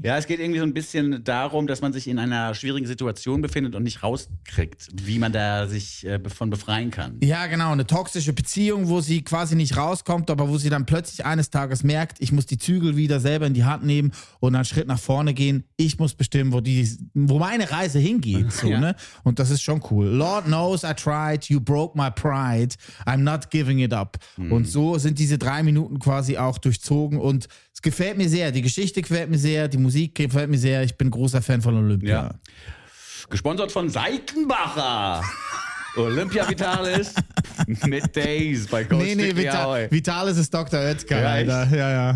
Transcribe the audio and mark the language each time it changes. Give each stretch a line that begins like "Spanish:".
German: Ja, es geht irgendwie so ein bisschen darum, dass man sich in einer schwierigen Situation befindet und nicht rauskriegt, wie man da sich von befreien kann. Ja, genau, eine toxische Beziehung, wo sie quasi nicht rauskommt, aber wo sie dann plötzlich eines Tages merkt, ich muss die Zügel wieder selber in die Hand nehmen und einen Schritt nach vorne gehen. Ich muss bestimmen, wo meine Reise hingeht. So, ja. Ne? Und das ist schon cool.
English: Lord knows I tried, you broke my pride, I'm not giving it up.
German: Und so sind diese 3 Minuten quasi auch durchzogen und es gefällt mir sehr. Die Geschichte gefällt mir sehr, die Musik gefällt mir sehr. Ich bin großer Fan von Olympia. Ja. Gesponsert von Seitenbacher. Olympia Vitalis mit Days bei Ghost. Nee, nee, Vitalis ist Dr. Oetker. Ja, Alter. Ja, ja.